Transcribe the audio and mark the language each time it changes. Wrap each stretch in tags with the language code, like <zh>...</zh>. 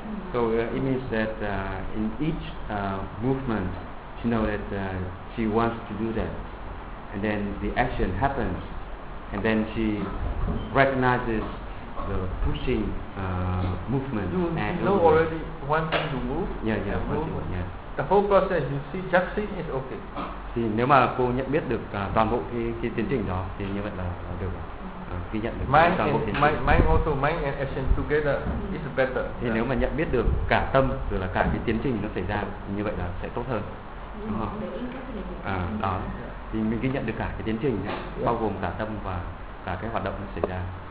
<en>So it means that in each movement, she knows that she wants to do that, and then the action happens, and then she recognizes the pushing movement. You know already one thing to move. Yeah. The whole process, you see, just seeing is okay.</en> <vi>Thì nếu mà cô nhận biết được toàn bộ cái tiến trình đó thì như vậy là được ghi nhận được</vi> <en>mind</en> <vi>toàn bộ tiến trình.</vi> <en>Mind also, mind and action together is better.</en> <vi>Thì nếu mà nhận biết được cả tâm rồi là cả cái tiến trình nó xảy ra thì như vậy là sẽ tốt hơn. Đúng không? Đó. Thì mình ghi nhận được cả cái tiến trình này, bao gồm cả tâm và cả cái hoạt động nó xảy ra.</vi>